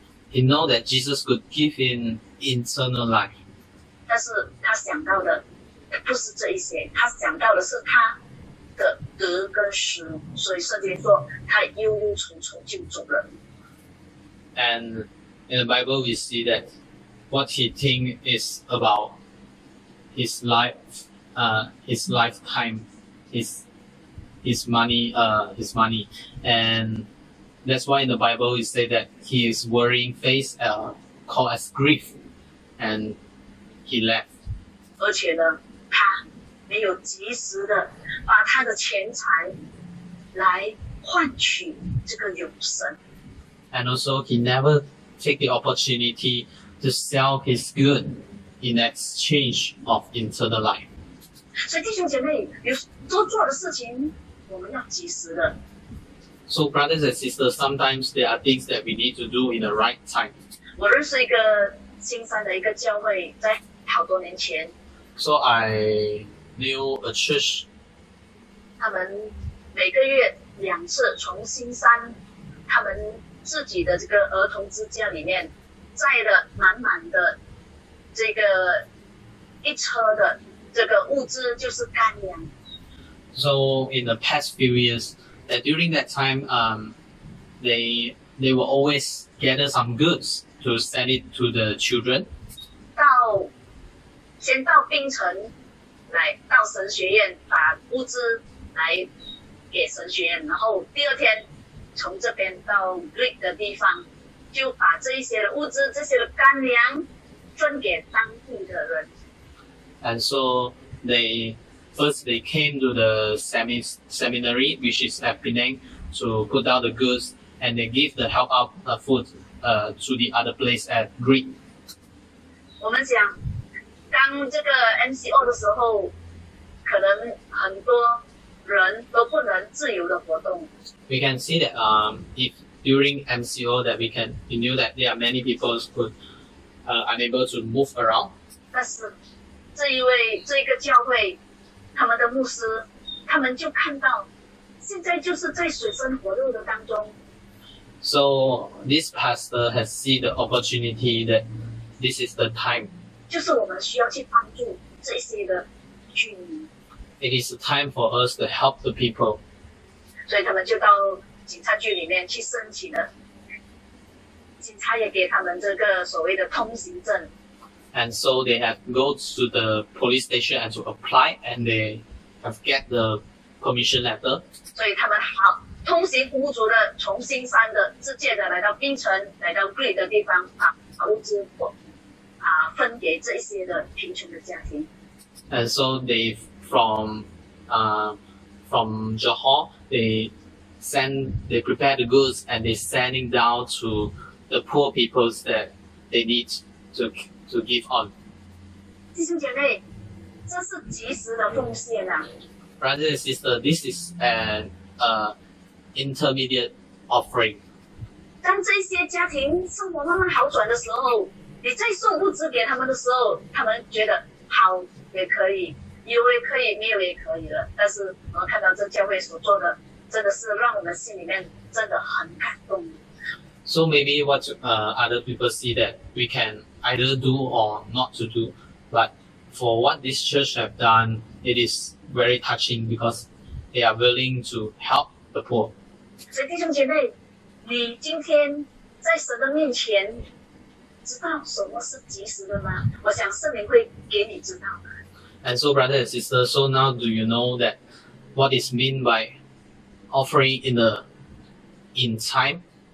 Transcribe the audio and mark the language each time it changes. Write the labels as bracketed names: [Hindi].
[English] He know that Jesus could give him eternal life. [Chinese] 但是他想到的不是这一些，他想到的是他的德跟实，所以圣经说他忧忧愁愁就走了。 [English] And in the Bible, we see that what he think is about his life, his lifetime, his money, and that's why in the Bible we say that he is worrying face called as grief, and he left. [Chinese] 而且呢，他没有及时的把他的钱财来换取这个永生。 [English] And also he never take the opportunity to sell his good in exchange of eternal life. [Chinese] 所以弟兄姐妹，有都做的事情，我们要及时的。 [English] So brothers and sisters, sometimes there are things that we need to do in the right time. [Chinese] 我认识一个新山的一个教会，在好多年前。 [English] So I knew a church. [Chinese] 他们每个月两次从新山，他们自己的这个儿童之家里面载了满满的这个一车的这个物资，就是干粮。 [English] So in the past few years, that during that time, they will always gather some goods to send it to the children. [Chinese] 到先到槟城来到神学院，把物资来给神学院，然后第二天。从这边到 Greek 的地方，就把这一些的物资、这些的干粮分给当地的人。 [English] And so they came to the seminary, which is at Penang, to put down the goods, and they give the help out food to the other place at Greek. [Chinese] 我们讲刚这个 MCO 的时候，可能很多人都不能自由的活动。 [English] We can see that if during MCO that we knew that there are many people who are unable to move around. [Chinese] 但是这个教会他们的牧师，他们就看到现在就是在水深火热的当中。 [English] So this pastor has seen the opportunity that this is the time. [Chinese] 就是我们需要去帮助这些的居民。 [English] It is the time for us to help the people. [Chinese] 所以他们就到警察局里面去申请了。警察也给他们这个所谓的通行证。 [English] And so they have go to the police station and to apply, and they have get the permission letter. [Chinese] 所以他们好通行无阻的从新山的直接的来到槟城，来到 Greek 的地方，把物资分给这些的贫穷的家庭。 [English] And so they've. From Johor, they prepare the goods and they send it down to the poor people that they need to give on. [Chinese] 弟兄姐妹，这是及时的奉献啊。 [English] Brothers and sisters, this is an intermediate offering. [Chinese] 当这些家庭生活慢慢好转的时候，你再送物资给他们的时候，他们觉得好也可以。有也可以，没有也可以了。但是我看到这教会所做的，真的是让我们心里面真的很感动。 [English] So maybe what other people see that we can either do or not to do, but for what this church have done, it is very touching because they are willing to help the poor. [Chinese] 所以弟兄姐妹，你今天在神的面前，知道什么是及时的吗？我想圣灵会给你知道。 [English] And so, brother and sister, so now do you know that what is mean by offering in time?